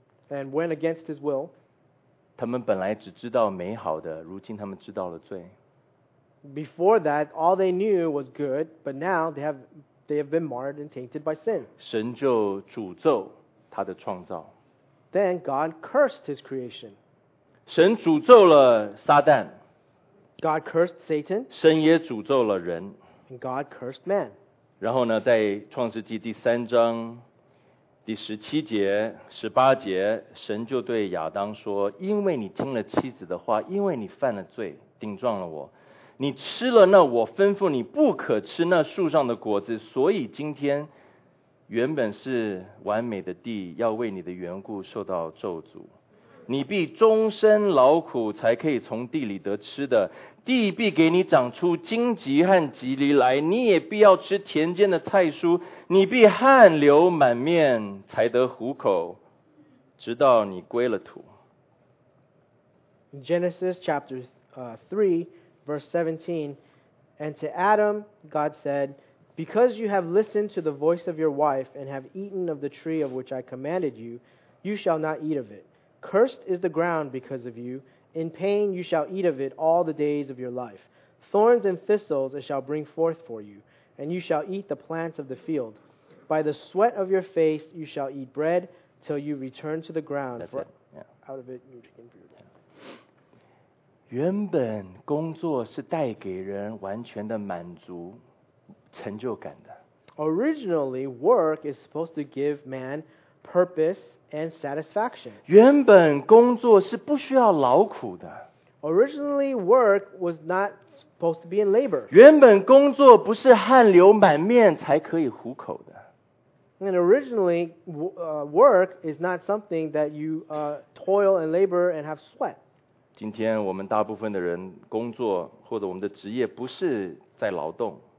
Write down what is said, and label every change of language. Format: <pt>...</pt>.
<en>and went against his will.</en> <zh>他们本来只知道美好的，如今他们知道了罪。</zh> <en>Before that, all they knew was good, but now they have been marred and tainted by sin.</en> <zh>神就诅咒他的创造。</zh> <en>Then God cursed his creation.</en> <zh>神诅咒了撒旦。</zh> <en>God cursed Satan.</en> <zh>神也诅咒了人。</zh> <en>And God cursed man.</en> <zh>然后呢，在创世纪第三章第十七节、十八节，神就对亚当说：“因为你听了妻子的话，因为你犯了罪，顶撞了我，你吃了那我吩咐你不可吃那树上的果子，所以今天原本是完美的地，要为你的缘故受到咒诅。” 你必终身劳苦才可以从地里得吃的，地必给你长出荆棘和蒺藜来，你也必要吃田间的菜蔬，你必汗流满面才得糊口，直到你归了土。</zh> <en>Genesis chapter 3 verse 17, and to Adam, God said, because you have listened to the voice of your wife and have eaten of the tree of which I commanded you, you shall not eat of it. Cursed is the ground because of you. In pain you shall eat of it all the days of your life. Thorns and thistles it shall bring forth for you, and you shall eat the plants of the field. By the sweat of your face you shall eat bread till you return to the ground. That's it.、Yeah. Out of it you can breathe.</en> <zh>原本工作是带给人完全的满足、成就感的。</zh> <en>Originally, work is supposed to give man purpose. And satisfaction.</en> <zh>原本工作是不需要劳苦的。</zh> <en>Originally, work was not supposed to be in labor.</en> <zh>原本工作不是汗流满面才可以糊口的。</zh> <en>And originally, work is not something that you toil and labor and have sweat.</en> <zh>今天我们大部分的人工作或者我们的职业不是在劳动。</zh>